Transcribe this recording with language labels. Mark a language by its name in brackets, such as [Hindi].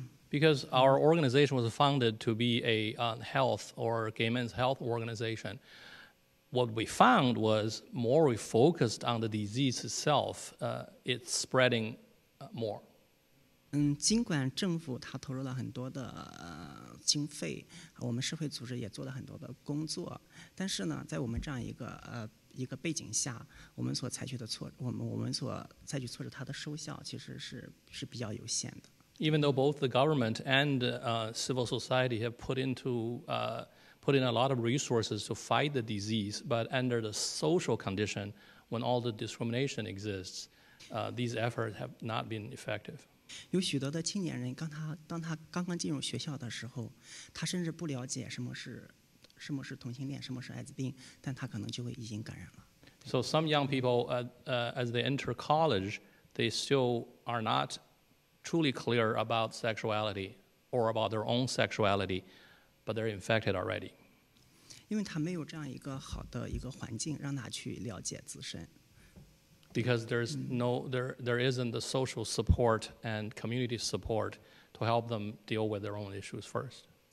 [English] Because our organization was founded to be a health or gay men's health organization, what we found was more we focused on the disease itself, it's spreading more. [Chinese] 尽管政府他投入了很多的经费，我们社会组织也做了很多的工作，但是呢，在我们这样一个背景下，我们所采取的措施，我们所采取措施，它的收效其实是比较有限的。 [English] Even though both the government and civil society have put into put in a lot of resources to fight the disease, but under the social condition, when all the discrimination exists, these efforts have not been effective. [Chinese] 有许多的青年人，当他刚刚进入学校的时候，他甚至不了解什么是同性恋，什么是艾滋病，但他可能就会已经感染了。 [English] So some young people, as they enter college, they still are not truly clear about sexuality or about their own sexuality, but they're infected already. [Chinese] 因为他没有这样一个好的一个环境，让他去了解自身。 [English] Because there's no, there isn't the social support and community support to help them deal with their own issues first.